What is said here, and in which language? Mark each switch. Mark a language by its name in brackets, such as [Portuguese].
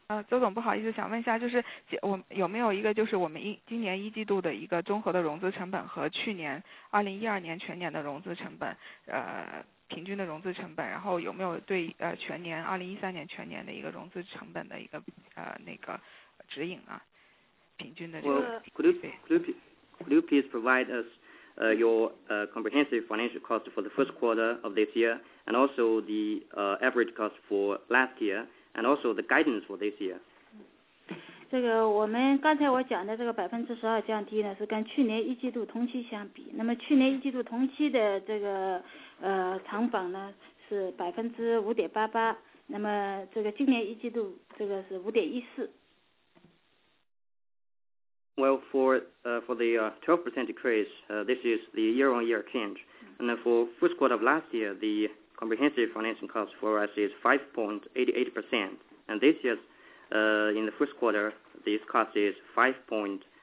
[Chinese] 周总不好意思，想问一下，就是我有没有一个就是我们今年一季度的一个综合的融资成本和去年2012年全年的融资成本，平均的融资成本，然后有没有对全年2013年全年的一个融资成本的一个那个指引啊？平均的这个。 [English] Could you please provide us your comprehensive financial cost for the first quarter of this year and also the average cost for last year? And also the guidance for this year. [Chinese] 这个我们刚才我讲的这个12%降低呢，是跟去年一季度同期相比。那么去年一季度同期的这个成本呢是5.88%，那么这个今年一季度这个是5.14%。 [English] Well, for the 12% decrease, this is the year-on-year change. And for first quarter of last year, the comprehensive financing cost for us is 5.88%, and this year, in the first quarter, this cost is 5.14%.